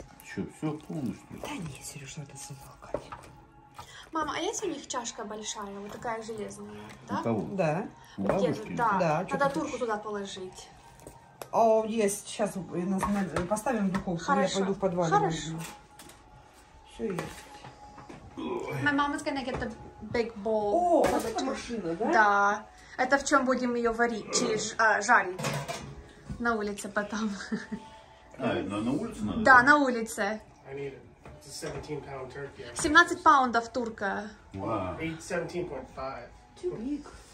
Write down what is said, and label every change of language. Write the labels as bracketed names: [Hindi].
[Russian] Что, все полностью? Да нет, Сереж, это с волками. Мама, а есть у них чашка большая, вот такая железная, да? У кого? Да. У бабушки? Да. Да. Надо турку туда положить. О, есть. Сейчас поставим духовку. Хорошо. Я пойду в подвал. Хорошо. Все есть. [English] My mom is gonna get the big bowl. [Russian] О, вот это машина, да? Да. Это в чем будем ее варить, через, жарить. На улице потом. На улице надо? Да, на улице. [English] It's a [Russian] 17 паундов турка. [English] Wow. 17.5.